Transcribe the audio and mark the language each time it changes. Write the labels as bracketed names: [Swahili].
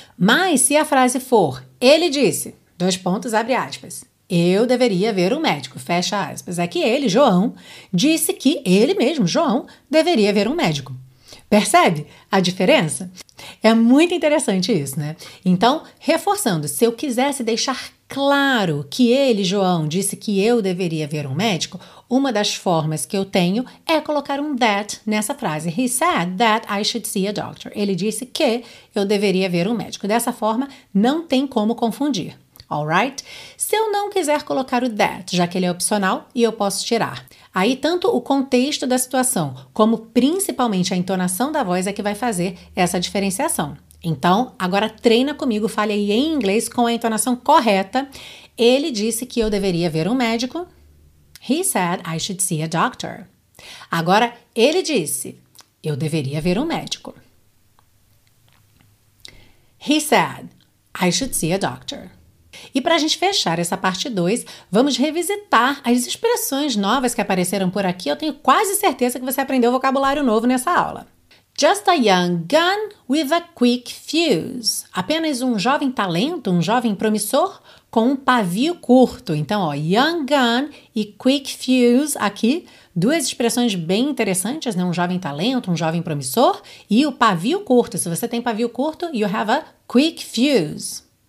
[Portuguese] Mas se a frase for, ele disse, dois pontos, abre aspas, eu deveria ver um médico, fecha aspas, é que ele, João, disse que ele mesmo, João, deveria ver um médico. Percebe a diferença? É muito interessante isso, né? Então, reforçando, se eu quisesse deixar claro que ele, João, disse que eu deveria ver um médico, uma das formas que eu tenho é colocar um that nessa frase. [English] He said that I should see a doctor. [Portuguese] Ele disse que eu deveria ver um médico. Dessa forma, não tem como confundir. Alright? Se eu não quiser colocar o that, já que ele é opcional, e eu posso tirar. Aí, tanto o contexto da situação, como principalmente a entonação da voz é que vai fazer essa diferenciação. Então, agora treina comigo, fale aí em inglês com a entonação correta. Ele disse que eu deveria ver um médico. [English] He said I should see a doctor. [Portuguese] Agora, ele disse, eu deveria ver um médico. [English] He said I should see a doctor. [Portuguese] E para a gente fechar essa parte 2, vamos revisitar as expressões novas que apareceram por aqui. Eu tenho quase certeza que você aprendeu vocabulário novo nessa aula. [English] Just a young gun with a quick fuse. [Portuguese] Apenas um jovem talento, um jovem promissor com um pavio curto. Então, ó, young gun e quick fuse aqui. Duas expressões bem interessantes, né? Um jovem talento, um jovem promissor e o pavio curto. Se você tem pavio curto, [English] you have a quick fuse.